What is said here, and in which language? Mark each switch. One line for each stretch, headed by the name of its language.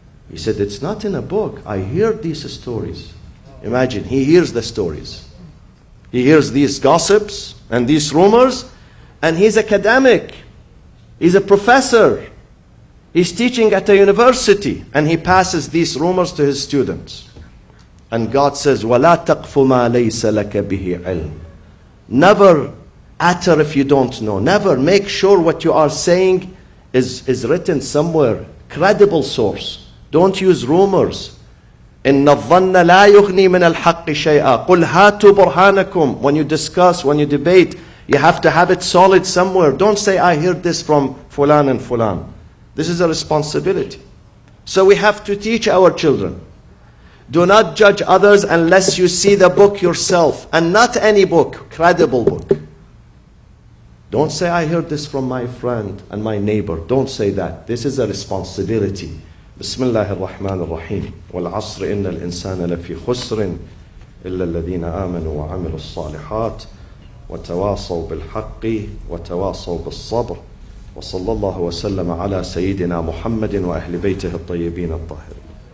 English: He said, it's not in a book. I hear these stories. Imagine, he hears the stories. He hears these gossips and these rumors. And he's academic. He's a professor. He's teaching at a university. And he passes these rumors to his students. And God says,
Arabic: وَلَا تَقْفُ مَا لَيْسَ لَكَ بِهِ عِلْمٍ.
English: Never utter if you don't know. Never make sure what you are saying is written somewhere, credible source. Don't use rumors.
Arabic: إِنَّ الظَّنَّ لَا يُغْنِي مِنَ الْحَقِّ شَيْئًا قُلْ هَاتُوا بُرْهَانَكُمْ.
English: When you discuss, when you debate, you have to have it solid somewhere. Don't say, I heard this from fulan and fulan. This is a responsibility. So we have to teach our children. Do not judge others unless you see the book yourself. And not any book, credible book. Don't say, I heard this from my friend and my neighbor. Don't say that. This is a responsibility.
Arabic: بسم الله الرحمن الرحيم والعصر إن الإنسان لفي خسر إلا الذين آمنوا وعملوا الصالحات وتواصوا بالحق وتواصوا بالصبر وصلى الله وسلم على سيدنا محمد وأهل بيته الطيبين الطاهرين.